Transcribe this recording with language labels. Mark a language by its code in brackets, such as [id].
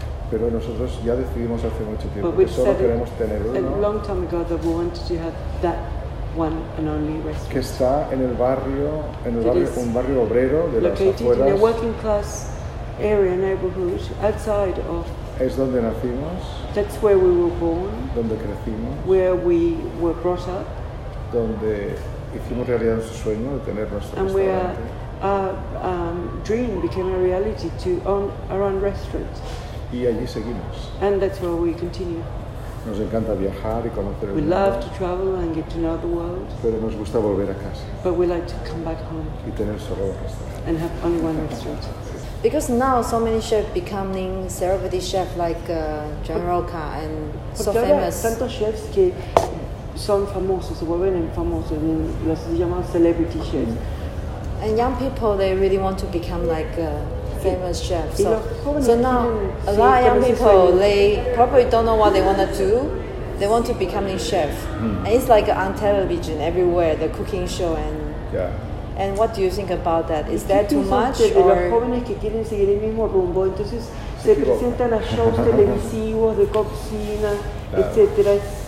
[es] Pero nosotros ya decidimos hace mucho tiempo que solo queremos tener uno. [en] A long time ago that we wanted to have that one and only restaurant. [es] Que está en un barrio obrero de las afueras. [en] Located in a working class area, neighborhood, outside of. [es] Es donde nacimos. [en] That's where we were born. [es] Donde crecimos. [en] Where we were brought up. [es] Donde hicimos realidad nuestro sueño de tener nuestro [en] and [es] restaurante. [en] And dream became a reality to own our own restaurant. [es] Y allí seguimos. [en] And that's where we continue. [es] Nos encanta viajar y conocer [en] we We love to travel and get to know the world. [es] Pero nos gusta volver a casa. [en] But we like to come back home. [es] Y tener solo un restaurante. [en] And have only one restaurant. Because now so many chefs becoming celebrity chefs like John Roca and so famous. [es] Porque tantos chefs que son famosos, se vuelven famosos, en los llaman celebrity chefs. [en] And young people, they really want to become like famous chefs. So now a lot of young people, they probably don't know what they want to do. They want to become a chef. Mm. And it's like on television everywhere, the cooking show and... Yeah. And what do you think about that? Is that too much? Or [es] los jóvenes que quieren seguir el mismo rumbo, entonces se presentan a shows televisivos de cocina, etcétera.